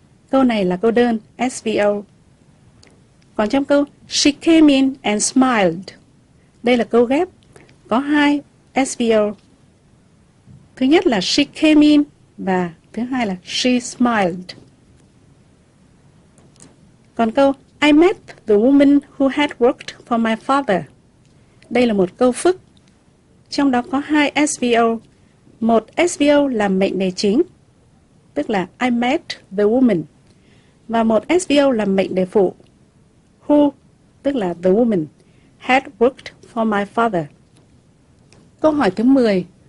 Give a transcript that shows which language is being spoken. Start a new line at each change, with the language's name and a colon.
Vietnamese: Câu này là câu đơn SVO. Còn trong câu
English: She came in and smiled.
Vietnamese: Đây là câu ghép có hai SVO. Thứ nhất là
English: she came in
Vietnamese: và thứ hai là
English: she smiled.
Vietnamese: Còn câu
English: I met the woman who had worked for my father.
Vietnamese: Đây là một câu phức. Trong đó có hai SVO. Một SVO là mệnh đề chính, tức là
English: I met the woman.
Vietnamese: Và một SVO là mệnh đề phụ, who, tức là
English: the woman, had worked for my father.
Vietnamese: Câu hỏi thứ 10.